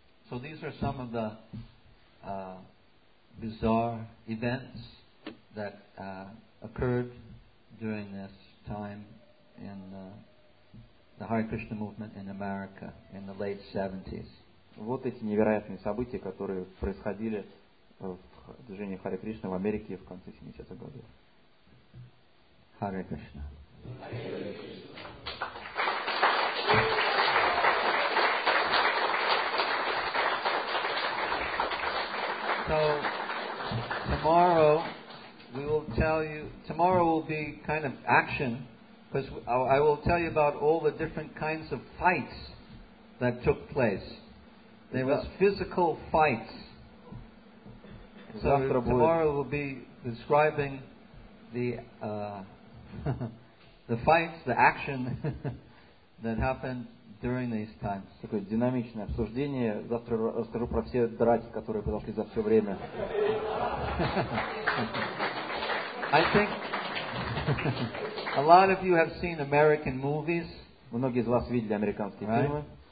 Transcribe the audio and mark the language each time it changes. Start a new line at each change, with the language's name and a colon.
English: So these are some of the bizarre events that occurred during this time in the Hare Krishna movement in America in the late 70s.
Russian: Вот эти невероятные события, которые происходили в движении Харе Кришна в Америке в конце 70-х годов. Харе Кришна.
English: So tomorrow we will tell you. Tomorrow will be kind of action because I will tell you about all the different kinds of fights that took place. There was physical fights. So tomorrow we'll be describing the the fights, the action that happened during these times.
Russian: Такое динамичное обсуждение. Завтра расскажу про все драки, которые произошли за все время.
English: I think a lot of you have seen American movies.
Russian: Многие из вас видели американские фильмы.